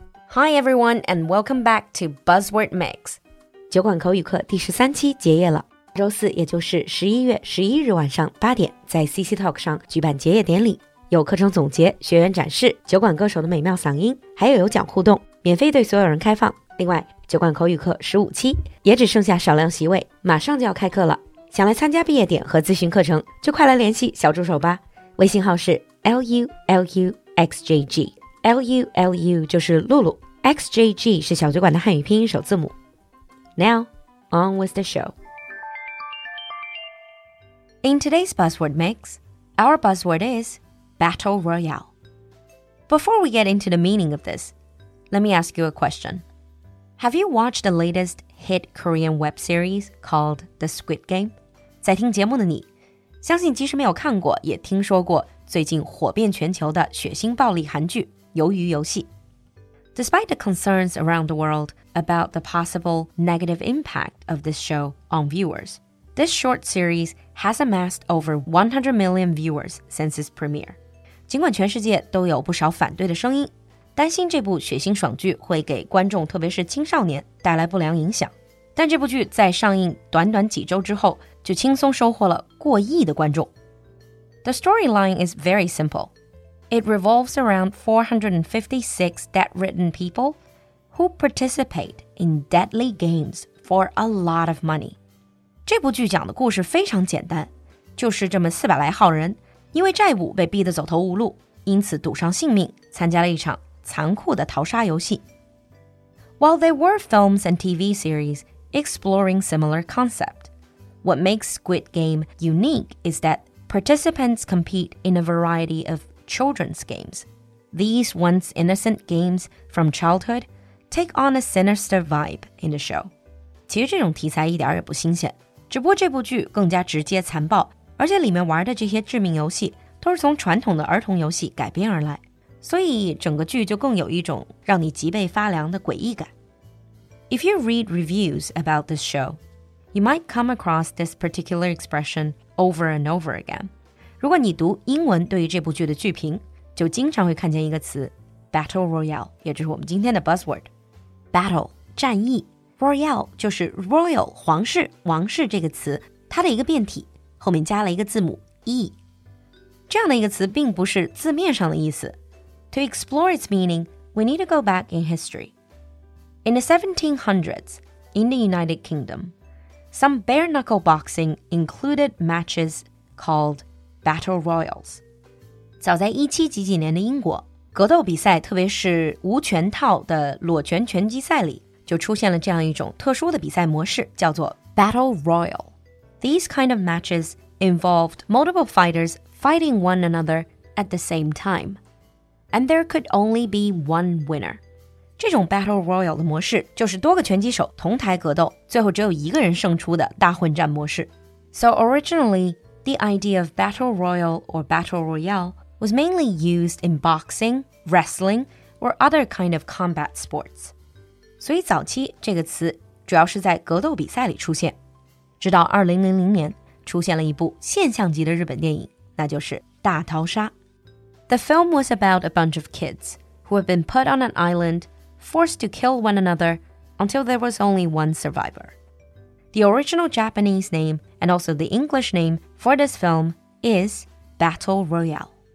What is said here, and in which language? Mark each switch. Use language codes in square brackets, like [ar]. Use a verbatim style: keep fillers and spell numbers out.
[en] Hi everyone and welcome back to Buzzword Mix. [zh] 酒馆口语课第十三期结业了。周四也就是十一月十一日晚上八点在 C C Talk 上举办结业典礼。有课程总结、学员展示、酒馆歌手的美妙嗓音，还有有奖互动，免费对所有人开放。另外，酒馆口语课十五期也只剩下少量席位，马上就要开课了。想来参加毕业典和咨询课程，就快来联系小助手吧。微信号是 L U L U X J G。 L U L U 就是露露， X J G 是小酒馆的汉语拼音首字母。 [en] Now, on with the show. In today's Buzzword Mix, our buzzword is Battle Royale. Before we get into the meaning of this, let me ask you a question. Have you watched the latest hit Korean web series called The Squid Game? [zh] 在听节目的你，相信即使没有看过，也听说过最近火遍全球的血腥暴力韩剧《鱿鱼游戏》。 [en] Despite the concerns around the world about the possible negative impact of this show on viewers, this short series has amassed over one hundred million viewers since its premiere. [zh] 尽管全世界都有不少反对的声音，担心这部血腥爽剧会给观众，特别是青少年带来不良影响，但这部剧在上映短短几周之后，就轻松收获了过亿的观众。 [en] The storyline is very simple. It revolves around four hundred fifty-six debt-ridden people who participate in deadly games for a lot of money. [zh] 这部剧讲的故事非常简单，就是这么四百来号人因为债务被逼得走投无路，因此赌上性命参加了一场残酷的淘沙游戏。 [en] While there were films and T V series exploring similar concept, what makes Squid Game unique is that participants compete in a variety of children's games. These once innocent games from childhood take on a sinister vibe in the show. [zh] 其实这种题材一点也不新鲜。只不过这部剧更加直接残暴，而且里面玩的这些致命游戏都是从传统的儿童游戏改编而来，所以整个剧就更有一种让你脊背发凉的诡异感。 [en] If you read reviews about this show, you might come across this particular expression over and over again. [zh] 如果你读英文对于这部剧的剧评，就经常会看见一个词 Battle Royale， 也就是我们今天的 buzzword。 Battle 战役，Royale 就是 royal 皇室王室这个词它的一个变体，后面加了一个字母 e。这样的一个词并不是字面上的意思。 [en] To explore its meaning, we need to go back in history. In the seventeen hundreds, in the United Kingdom, some bare-knuckle boxing included matches called battle royals. [zh] 早在十七几几年的英国，格斗比赛特别是无拳套的裸拳拳击赛里就出现了这样一种特殊的比赛模式，叫做 Battle Royal. [en] These kind of matches involved multiple fighters fighting one another at the same time. And there could only be one winner. [zh] 这种 Battle Royal 的模式就是多个拳击手同台格斗，最后只有一个人胜出的大混战模式。 [en] So originally, the idea of Battle Royal or Battle Royale was mainly used in boxing, wrestling, or other kind of combat sports. [zh] 所以早期这个词主要是在格斗比赛里出现，直到二零零零年出现了一部现象级的日本电影，那就是大逃杀。 [en] The film was about a bunch of kids who had been put on an island, forced to kill one another until there was only one survivor. The original Japanese name and also the English name for this film is Battle Royale.